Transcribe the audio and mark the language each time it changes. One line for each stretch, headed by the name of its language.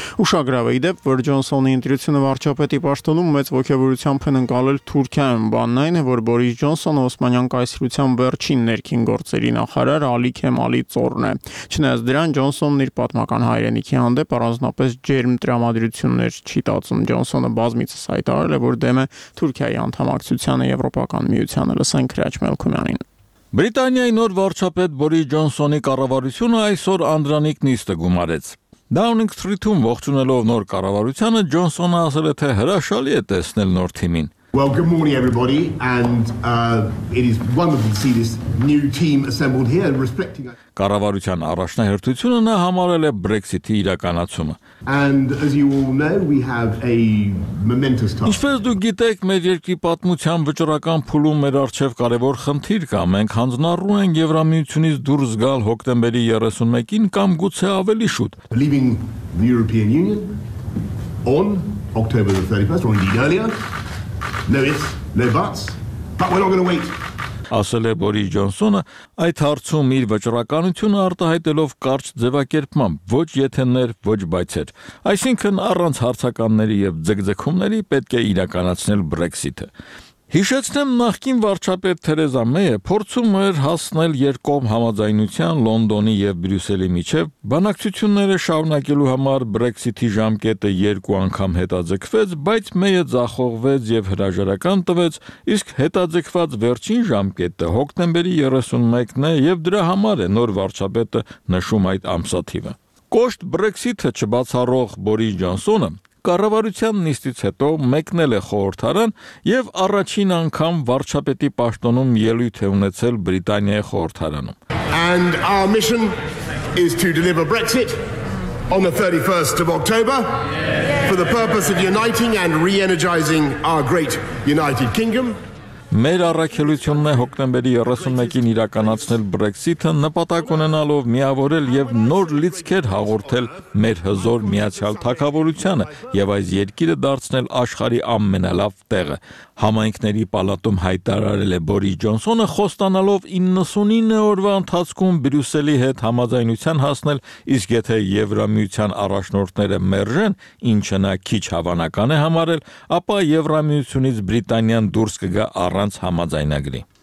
Armenian: Ուշագրավ է, ի դեպ, որ Ջոնսոնի ընտրությունը վարչապետի պաշտոնում մեծ ոգևորությամբ են ընկալել Թուրքիայում, բանն այն է, որ Բորիս Ջոնսոնը Օսմանյան կայսրության վերջին ներքին գործերի նախարար Ալի Քեմալի ծորն է։ Չնայած դրան, Ջոնսոնն իր պատմական հայրենիքի հանդեպ առանձնապես ջերմ տրամադրություններ չի տածում։ Ջոնսոնը բազմիցս հայտարարել է, որ դեմ է Թուրքիայի անդամակցությանը Եվրոպական միությանը։ Լսենք Քրաչ Մելքումյանին։ Բրիտանիայի նոր վարչապետ Բորիս Ջոնսոնի կառավարությունը այսօր անդրանիկ նիստը գումարեց։ Downing Street-ում ողջունելով նոր կառավարությունը, Ջոնսոնը ասել է, թե հրաշալի է տեսնել նոր թիմին։
English: Well, good morning, everybody, and it is wonderful to see this new team assembled here, respecting.
Armenian: Կառավարության առաջնահերթությունը նա համարել է Brexit-ի իրականացումը։
English: And as you all know, we have a momentous task.
Armenian: Ինչպես դուք գիտեք, մեր երկրի պատմության վճռական փուլում մեր առջև կարևոր խնդիր կա։ Մենք հանձնարարում ենք Եվրամիությունից դուրս գալ հոկտեմբերի 31-ին կամ գուցե ավելի շուտ։
English: Leaving the European Union on October the 31st or indeed earlier. No ifs, no buts, but we're not going to wait.
Armenian: Ասել է Բորիս Ջոնսոնը, այդ հարցում իր վճռականությունը արտահայտելով կարճ ձևակերպմամբ, ոչ եթեներ, ոչ բայցեր, այսինքն առանց հարցականների և ձգձգումների պետք է իրականացնել Brexit-ը։ Հիշեցնեմ, նախկին վարչապետ Թերեզա Մեյը փորձում էր հասնել երկկողմ համաձայնության Լոնդոնի և Բրյուսելի միջև, բանակցությունները շարունակելու համար Brexit-ի ժամկետը երկու անգամ հետաձգվեց, բայց Մեյը ձախողվեց և հրաժարական տվեց, իսկ հետաձգված վերջին ժամկետը հոկտեմբերի 31-ն է, և դրա համար է նոր վարչապետը նշում այդ ամսաթիվը։ Կոշտ Brexit-ը չբացառող Բորիս Ջոնսոնը կառավարության նիստից հետո մեկնել է խորհրդարան և առաջին անգամ վարչապետի պաշտոնում ելույթ է ունեցել Բրիտանիայի խորհրդարանում։
English: And our mission is to deliver Brexit on the 31st of October. Yes. for the purpose of uniting and re-energizing our great United Kingdom.
Armenian: Մեր առաքելությունն է հոկտեմբերի 31-ին իրականացնել Brexit-ը, նպատակ ունենալով միավորել եւ նոր լիցքեր հաղորդել մեր հզոր միացյալ թակավորությանը եւ այս երկիրը դարձնել աշխարի ամենալավ տեղը։ Համայնքների պալատում հայտարարել է Բորի Ջոնսոնը, խոստանալով 99 օրվա ընթացքում Բրյուսելի հետ համաձայնության հասնել, իսկ եթե Եվրամիության առաջնորդները մերժեն, ինչը նա քիչ հավանական է համարել, ապա Եվրամիությունից Բրիտանիան դուրս կգա առանց համաձայնագրի։